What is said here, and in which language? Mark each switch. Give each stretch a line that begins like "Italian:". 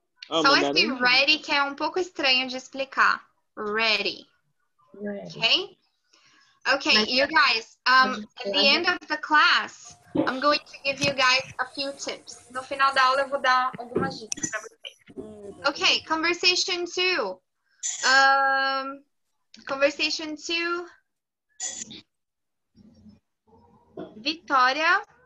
Portuguese: Oh, só esse ready que é um pouco estranho de explicar.
English: Ready. Okay? Okay, mas, you guys, at the end of the class, I'm going to give you guys a few tips.
Portuguese: No final da aula eu vou dar algumas dicas pra vocês.
English: Okay, conversation two. Conversation two. Vitória.